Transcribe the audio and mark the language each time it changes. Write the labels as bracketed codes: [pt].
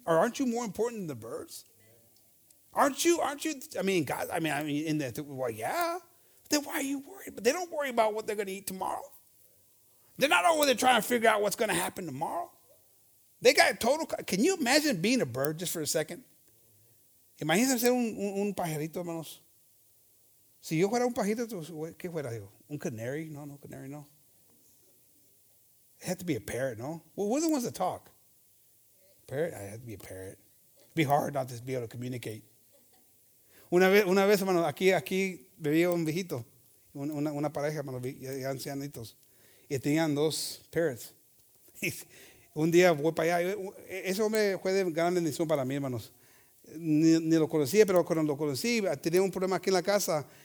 [en] Or aren't you more important than the birds? Aren't you, then why are you worried? But they don't worry about what they're going to eat tomorrow. They're not over there trying to figure out what's going to happen tomorrow. They got total, can you imagine being a bird just for a second? [es] Imagínense ser un pajarito, hermanos. Si yo fuera un pajarito, ¿qué fuera yo? [en] Un canary? No, canary, no. It had to be a parrot, no? Well, who's the ones that talk? Parrot? It had to be a parrot. It'd be hard not to be able to communicate. [es] Una vez, hermano, aquí vivía un viejito, una pareja, hermano, ya ancianitos, y tenían dos parrots. Un día voy para allá. Ese hombre fue de gran bendición para mí, hermanos. Ni lo conocía, pero cuando lo conocí, tenía un problema aquí en la casa.